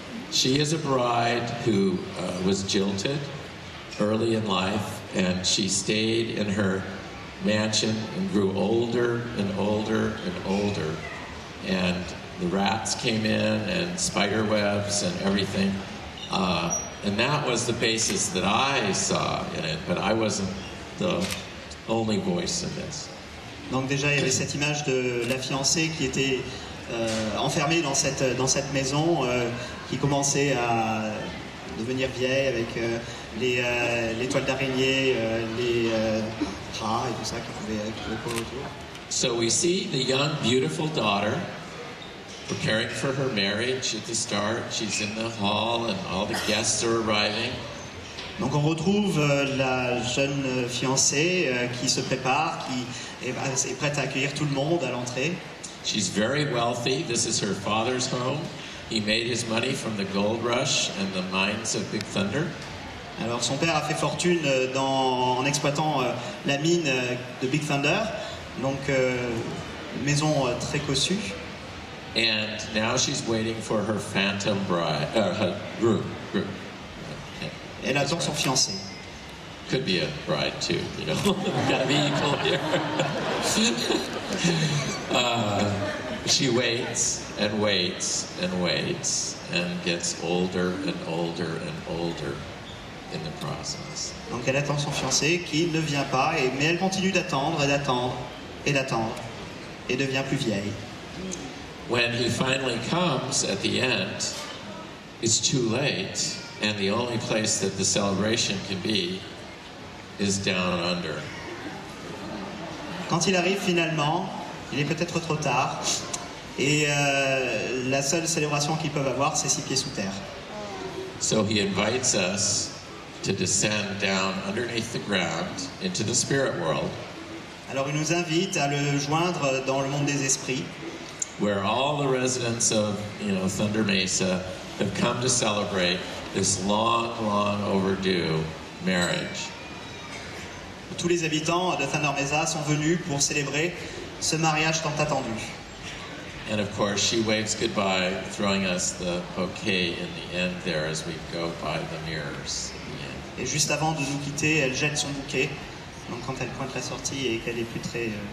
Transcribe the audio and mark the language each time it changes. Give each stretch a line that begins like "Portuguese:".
English: She is a bride who was jilted early in life, and she stayed in her mansion and grew older and older and older. And the rats came in and spider webs and everything. And that was the basis that I saw in it, but I wasn't the only voice in this.
French: Donc déjà, il y avait cette image de la fiancée qui était enfermée dans cette maison, qui commençait à devenir vieille avec les toiles d'araignée, les rats et tout ça qui pouvait être autour.
English: So we see the young, beautiful daughter preparing for her marriage at the start. She's in the hall and all the guests are arriving.
French: Donc on retrouve la jeune fiancée qui se prépare, qui est prête à accueillir tout le monde à l'entrée.
English: She's very wealthy. This is her father's home. He made his money from the gold rush and the mines of Big Thunder.
French: Alors son père a fait fortune en exploitant la mine de Big Thunder. Donc maison très cossue.
English: And now she's waiting for her phantom bride, her groom.
French: Elle attend son fiancé.
English: Could be a bride too, you know. Got to be equal here. She waits and waits and waits and gets older and older and older in the process.
French: Donc elle attend son fiancé qui ne vient pas, mais elle continue d'attendre et d'attendre et d'attendre et devient plus vieille.
English: When he finally comes at the end, it's too late, and the only place that the celebration can be is down under.
French: Quand il arrive finalement, il est peut-être trop tard, et la seule célébration qu'ils peuvent avoir, c'est six pieds sous terre.
English: So he invites us to descend down underneath the ground into the spirit world.
French: Alors il nous invite à le joindre dans le monde des esprits.
English: Where all the residents of, you know, Thunder Mesa have come to celebrate this long, long overdue marriage.
French: Tous les habitants de Thunder Mesa sont venus pour célébrer ce mariage tant attendu.
English: And of course, she waves goodbye, throwing us the bouquet in the end there as we go by the mirrors.
French: Et juste avant de nous quitter, elle jette son bouquet. Donc quand elle pointe la sortie et qu'elle est plus très